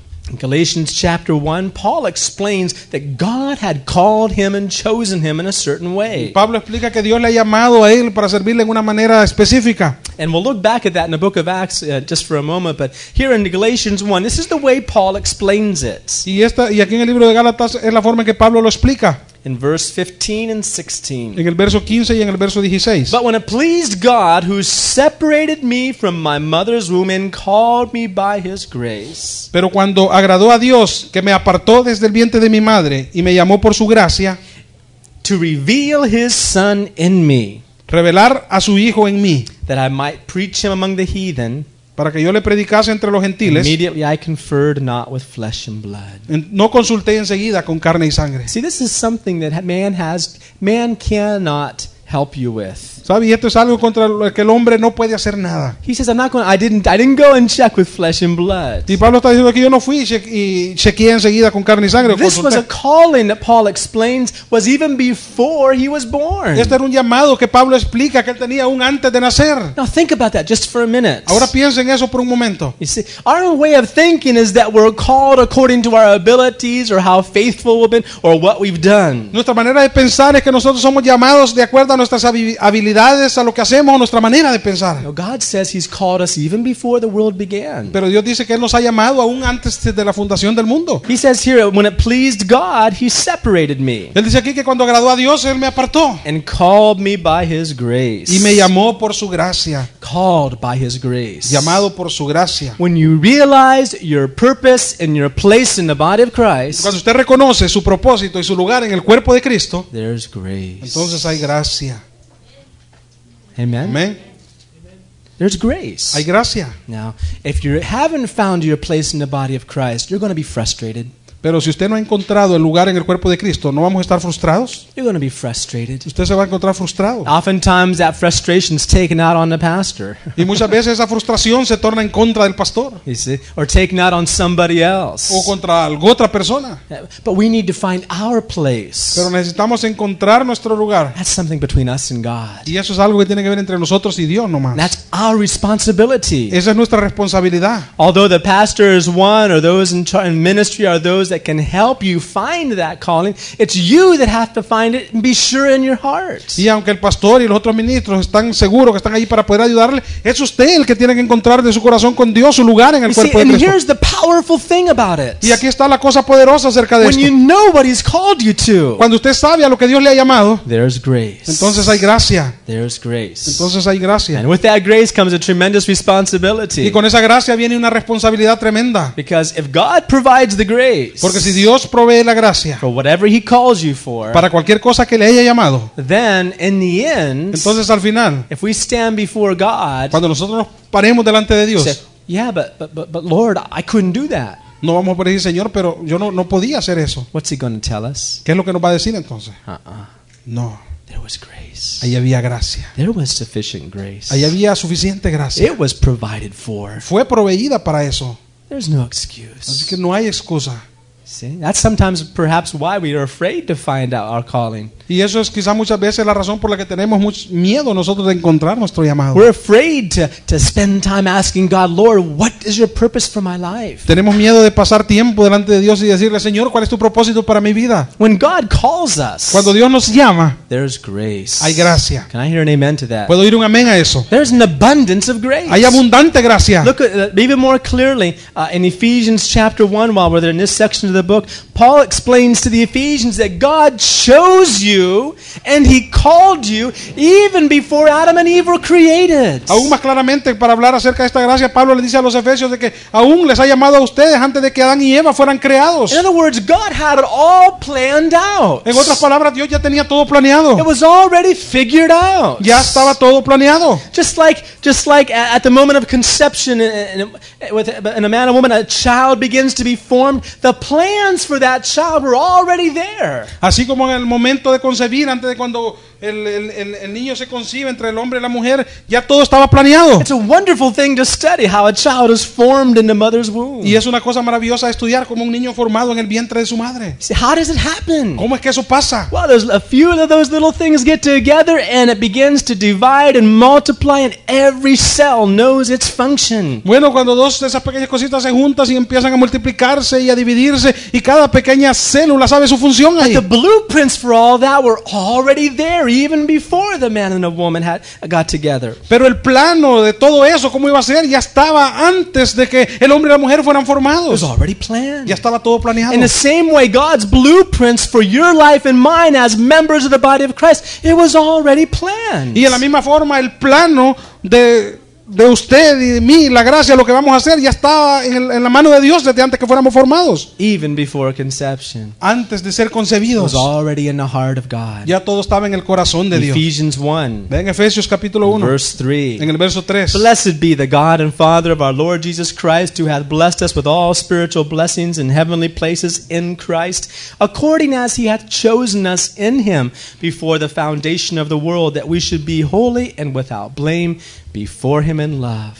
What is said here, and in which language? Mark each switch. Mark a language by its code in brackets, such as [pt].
[en] In Galatians chapter 1, Paul explains that God had called him and chosen him in a certain way. [es] Pablo explica que Dios le ha llamado a él para servirle en una manera específica. [en] And we'll look back at that in the book of Acts just for a moment, but here in Galatians 1, this is the way Paul explains it. [es] Y aquí en el libro de Gálatas es la forma en que Pablo lo explica. [en] In verse 15 and 16. [es] En el verso 15 y en el verso 16. [en] But when it pleased God who separated me from my mother's womb and called me by his grace. [es] Pero cuando agradó a Dios que me apartó desde el vientre de mi madre y me llamó por su gracia. [en] To reveal his son in me. [es] Revelar a su hijo en mí. [en] That I might preach him among the heathen. [es] Para que yo le predicase entre los gentiles. [en] Immediately I conferred not with flesh and blood. [es] No consulté enseguida con carne y sangre. [en] See, this is something that man has, man cannot help you with. [es] ¿Sabe? Y esto es algo contra lo que el hombre no puede hacer nada. [en] He says, I'm not going, I didn't go and check with flesh and blood. [es] Y Pablo está diciendo que yo no fui y chequeé enseguida con carne y sangre. [en] This was a calling that Paul explains was even before he was born. [es] Este era un llamado que Pablo explica que él tenía aún antes de nacer. [en] Now think about that just for a minute. [es] Ahora piensa en eso por un momento. [en] You see, our way of thinking is that we're called according to our abilities or how faithful we've been or what we've done. [es] Nuestra manera de pensar es que nosotros somos llamados de acuerdo a nuestras habilidades. A lo que hacemos, a nuestra manera de pensar. [en] No, God says he's called us even before the world began. [es] Pero Dios dice que él nos ha llamado aún antes de la fundación del mundo. [en] He says here, when it pleased God, he separated me. [es] Él dice aquí que cuando agradó a Dios, él me apartó. [en] And called me by his grace. [es] Y me llamó por su gracia. [en] Called by his grace. [es] Llamado por su gracia. [en] When you realize your purpose and your place in the body of Christ. [es] Cuando usted reconoce su propósito y su lugar en el cuerpo de Cristo. [en] There's grace. [es] Entonces hay gracia. [en] Amen. [es] Amen. [en] There's grace. [es] Hay gracia. [en] Now, if you haven't found your place in the body of Christ, you're going to be frustrated. [es] Pero si usted no ha encontrado el lugar en el cuerpo de Cristo, ¿no vamos a estar frustrados? [en] You're going to be frustrated. [es] Usted se va a encontrar frustrado. [en] Oftentimes that frustration is taken out on the pastor. [es] Y muchas veces esa frustración se torna en contra del pastor. [en] You see? Or taken out on somebody else. [es] O contra alguna otra persona. [en] But we need to find our place. [es] Pero necesitamos encontrar nuestro lugar. [en] That's something between us and God. [es] Y eso es algo que tiene que ver entre nosotros y Dios nomás. [en] That's our responsibility. [es] Esa es nuestra responsabilidad. [en] Although the pastor is one or those in ministry are those that can help you find that calling. It's you that have to find it and be sure in your heart. [es] Y aunque el pastor y los otros ministros están seguros que están ahí para poder ayudarle, es usted el que tiene que encontrar de su corazón con Dios su lugar en el cuerpo de Cristo. [en] And here's the powerful thing about it. [es] Y aquí está la cosa poderosa acerca de esto. [en] When you know what he's called you to. [es] Cuando usted sabe a lo que Dios le ha llamado. [en] There's grace. [es] Entonces hay gracia. [en] There's grace. [es] Entonces hay gracia. [en] And with that grace comes a tremendous responsibility. [es] Y con esa gracia viene una responsabilidad tremenda. [en] Because if God provides the grace. [es] Porque si Dios provee la gracia [en] for whatever he calls you for, [es] para cualquier cosa que le haya llamado, [en] then in the end, [es] entonces al final, [en] if we stand before God, [es] cuando nosotros paremos delante de Dios, [en] say, yeah, but Lord, I couldn't do that. [es] No vamos a poder decir, Señor, pero yo no podía hacer eso. [en] What's he going to tell us? [es] ¿Qué es lo que nos va a decir entonces? [en] No. There was grace. [es] Ahí había gracia. [en] There was sufficient grace. [es] Ahí había suficiente gracia. [en] It was provided for. [es] Fue proveída para eso. [en] There's no excuse. [es] Así que no hay excusa. [en] See, that's sometimes perhaps why we are afraid to find out our calling. [es] Y eso es quizá muchas veces la razón por la que tenemos mucho miedo nosotros de encontrar nuestro llamado. [en] We're afraid to spend time asking God, Lord, what is your purpose for my life? [es] Tenemos miedo de pasar tiempo delante de Dios y decirle, Señor, ¿cuál es tu propósito para mi vida? [en] When God calls us, [es] cuando Dios nos llama, [en] there's grace. [es] Hay gracia. [en] Can I hear an amen to that? [es] ¿Puedo oír un amén a eso? [en] There's an abundance of grace. [es] Hay abundante gracia. [en] Look at, even more clearly in Ephesians chapter 1, while we're there in this section of the book, Paul explains to the Ephesians that God chose you and he called you even before Adam and Eve were created. [es] Aún más claramente para hablar acerca de esta gracia, Pablo le dice a los Efesios de que aún les ha llamado a ustedes antes de que Adán y Eva fueran creados. [en] In other words, God had it all planned out. [es] En otras palabras, Dios ya tenía todo planeado. [en] It was already figured out. [es] Ya estaba todo planeado. [en] Just like at the moment of conception in a man and woman, a child begins to be formed, the plans for that child were already there. [es] Así como en el momento de concebir, antes de cuando el niño se concibe entre el hombre y la mujer, ya todo estaba planeado. [en] It's a wonderful thing to study how a child is formed in the mother's womb. [es] Y es una cosa maravillosa estudiar cómo un niño formado en el vientre de su madre. [en] See, how does it happen? [es] ¿Cómo es que eso pasa? [en] Well, there's a few of those little things get together and it begins to divide and multiply and every cell knows its function. [es] Bueno, cuando dos de esas pequeñas cositas se juntan y empiezan a multiplicarse y a dividirse y cada pequeña célula sabe su función ahí. [en] But the blueprints for all that were already there. Even before the man and the woman had got together. [es] Pero el plano de todo eso, cómo iba a ser, ya estaba antes de que el hombre y la mujer fueran formados. [en] It was already planned. [es] Ya estaba todo planeado. [en] In the same way, God's blueprints for your life and mine as members of the body of Christ, it was already planned. [es] Y en la misma forma, el plano de usted y de mí, la gracia, lo que vamos a hacer, ya estaba en la mano de Dios desde antes que fuéramos formados. [en] Even before conception, [es] antes de ser concebidos, [en] was already in the heart of God. [es] Ya todo estaba en el corazón de Dios. [en] Ephesians 1, [es] en Efesios capítulo 1, [en] verse 3, [es] en el verso 3. [en] Blessed be the God and Father of our Lord Jesus Christ, who hath blessed us with all spiritual blessings in heavenly places in Christ, according as he hath chosen us in him before the foundation of the world, that we should be holy and without blame before him in love.